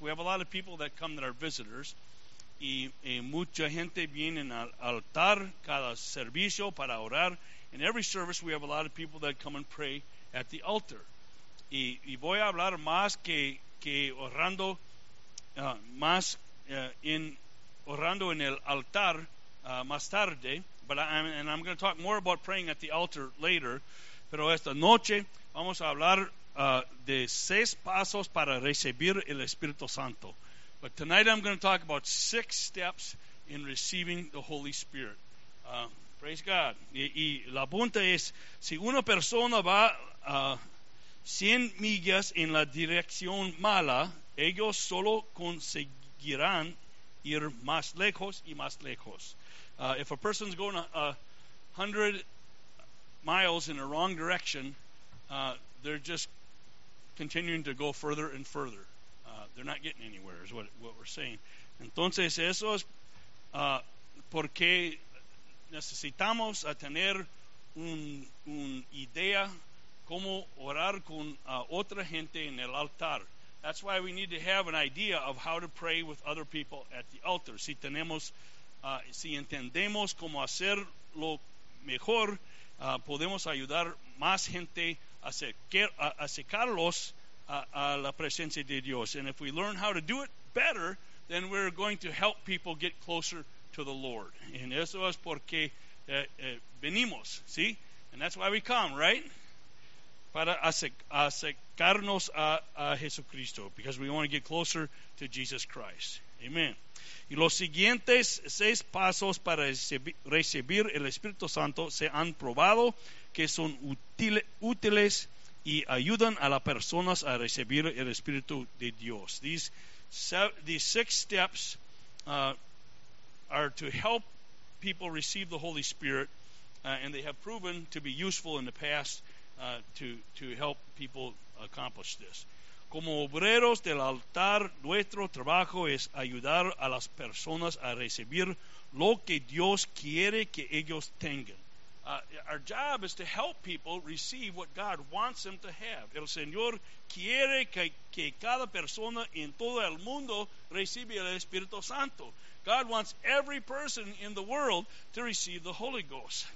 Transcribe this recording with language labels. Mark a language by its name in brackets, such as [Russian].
[English] We have a lot of people that come that are visitors. [Spanish] Y mucha gente viene al altar cada servicio para orar. [English] In every service, we have a lot of people that come and pray at the altar. [Spanish] Y voy a hablar más que orando, más en orando en el altar más tarde. [English] And I'm going to talk more about praying at the altar later. [Spanish] Pero esta noche vamos a hablar de 6 pasos para recibir el Espíritu Santo. [English] But tonight I'm going to talk about 6 steps in receiving the Holy Spirit. Praise God. [Spanish] Y la punta es, si una persona va 100 millas en la dirección mala, ellos solo conseguirán ir más lejos y más lejos. [English] If a person's going 100 miles in the wrong direction, they're just continuing to go further and further. They're not getting anywhere, is what we're saying. [Spanish] Entonces, eso es porque necesitamos a tener un idea cómo orar con otra gente en el altar. [English] That's why we need to have an idea of how to pray with other people at the altar. [Spanish] Si tenemos, si entendemos cómo hacerlo mejor, podemos ayudar más gente a acercarlos a la presencia de Dios. [English] And if we learn how to do it better, then we're going to help people get closer to the Lord. [Spanish] And eso es porque venimos, ¿sí? [English] And that's why we come, right? [Spanish] Para acercarnos a Jesucristo, [English] because we want to get closer to Jesus Christ. Amen. [Spanish] Y los siguientes 6 pasos para recibir el Espíritu Santo se han probado que son útiles y ayudan a las personas a recibir el Espíritu de Dios. [English] These 6 steps are to help people receive the Holy Spirit, and they have proven to be useful in the past to help people accomplish this. [Spanish] Como obreros del altar, nuestro trabajo es ayudar a las personas a recibir lo que Dios quiere que ellos tengan. [English] Our job is to help people receive what God wants them to have. [Spanish] El Señor quiere que cada persona en todo el mundo reciba el Espíritu Santo. [English] God wants every person in the world to receive the Holy Ghost.